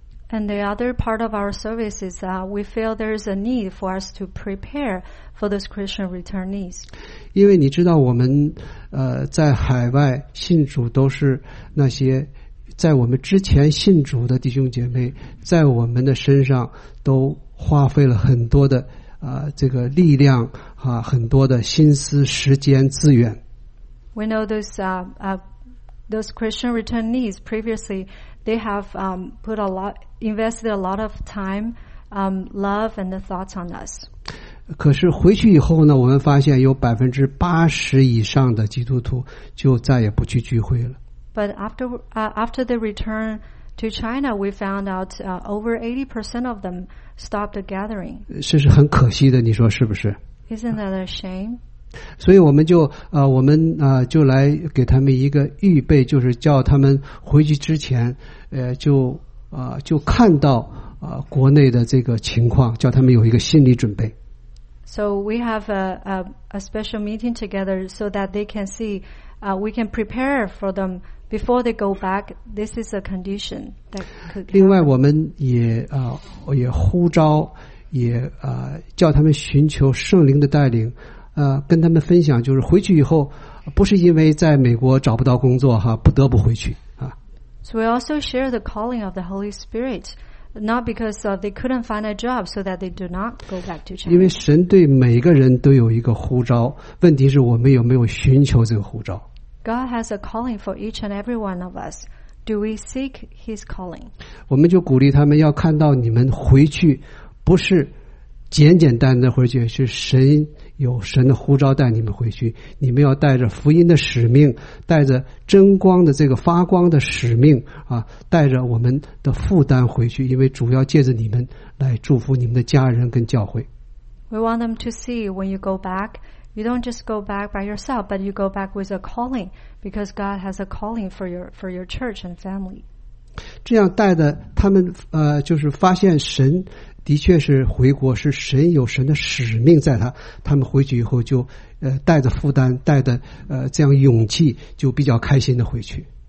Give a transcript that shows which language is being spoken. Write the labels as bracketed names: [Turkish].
[English] And the other part of our service is that we feel there is a need for us to prepare for those Christian returnees. [Chinese] 因为你知道我们在海外信主都是那些在我们之前信主的弟兄姐妹，在我们的身上都花费了很多的这个力量啊，很多的心思、时间、资源。 [English] We know those Christian returnees previously, they have invested a lot of time, love and the thoughts on us. [Chinese] 可是回去以后呢，我们发现有80%以上的基督徒就再也不去聚会了。 [English] But after the return to China, we found out over 80% of them stopped the gathering. [Chinese] 这是很可惜的，你说是不是？ [English] Isn't that a shame? [Chinese] 所以我们就来给他们一个预备，就是叫他们回去之前，就看到国内的这个情况，叫他们有一个心理准备。 [English] So we have a special meeting together so that they can see, we can prepare for them before they go back. This is a condition that could happen. [Chinese] 另外，我们也呼召，也叫他们寻求圣灵的带领，跟他们分享，就是回去以后，不是因为在美国找不到工作哈，不得不回去。 [English] So we also share the calling of the Holy Spirit, not because they couldn't find a job, so that they do not go back to China. [Chinese] 因为神对每个人都有一个呼召，问题是我们有没有寻求这个呼召。 [English] God has a calling for each and every one of us. Do we seek His calling? [Chinese] 我们就鼓励他们要看到你们回去，不是简简单单回去，是神有神的呼召带你们回去，你们要带着福音的使命，带着真光的这个发光的使命啊，带着我们的负担回去，因为主要借着你们来祝福你们的家人跟教会。 [English] We want them to see when you go back, you don't just go back by yourself, but you go back with a calling, because God has a calling for your church and family. [Chinese] 这样带着他们就是发现神的确是回国，是神有神的使命在他。他们回去以后就带着负担，带着这样勇气，就比较开心的回去。